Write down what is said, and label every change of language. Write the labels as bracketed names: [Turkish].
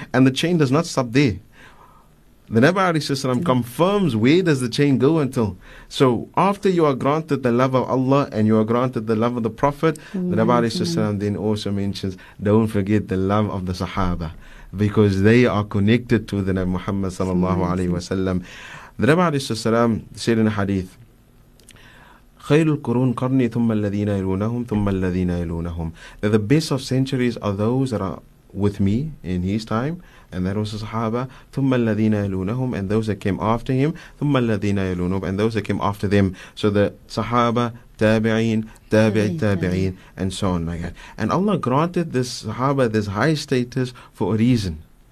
[English] And the chain does not stop there. The Nabi alayhi sallam confirms, where does the chain go until? So after you are granted the love of Allah and you are granted the love of the Prophet, the Nabi alayhi sallam then also mentions, don't forget the love of the Sahaba, because they are connected to the Nabi Muhammad sallallahu alayhi wasallam. The Nabi alayhi sallam said in a hadith, [Arabic] خير القرون قرني ثم الذين يلونهم ثم الذين يلونهم. [English] The best of centuries are those that are with me in his time, and that was the Sahaba. [Arabic] ثم الذين يلونهم, [English] and those that came after him. [Arabic] ثم الذين يلونهم, [English] and those that came after them. So the Sahaba, [Arabic] تابعين, تابع التابعين, [English] and so on like that. And Allah granted this Sahaba this high status for a reason.